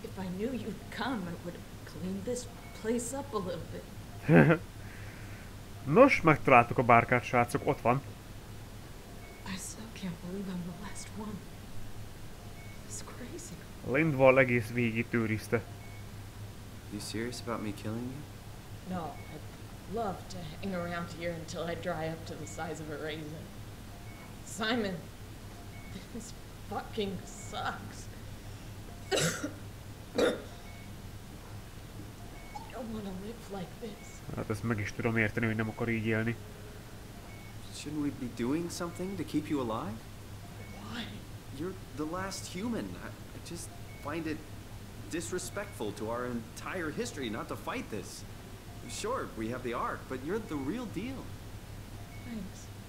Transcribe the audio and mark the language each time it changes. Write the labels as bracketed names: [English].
[English] If I knew you'd come, I would have cleaned this place up a little bit. [Hungarian] Nos, megtaláltuk a bárkát, srácok, ott van. [English] I still can't believe I'm the last one. It's crazy. [Hungarian] Lindvall egész végig őrizte. [English] You serious about me killing you? No, I'd love to hang around here until I dry up to the size of a raisin. Simon, this fucking sucks. I don't want to live like this. [Hungarian] Hát ezt meg is tudom érteni, hogy nem akar így élni. [English] Shouldn't we be doing something to keep you alive? Why? You're the last human. I just find it disrespectful to our entire history not to fight this. Sure, we have the Ark, but you're the real deal. Thanks.